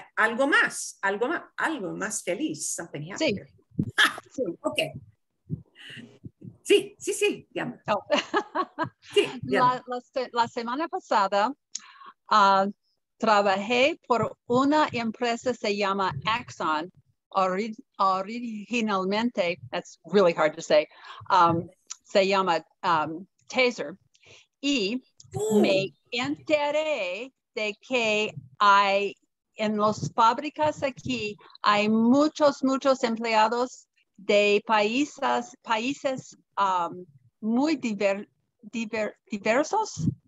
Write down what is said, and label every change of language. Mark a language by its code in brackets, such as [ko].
[es] ¿Algo más feliz? [en] Something happened. [es] Sí. Ok. Sí. Ya. Oh. Sí, ya. La semana pasada trabajé por una empresa, se llama Axon. Originalmente, [en] that's really hard to say, [es] se llama Taser. Y me enteré de que hay en las fábricas aquí hay muchos empleados de países muy diversos.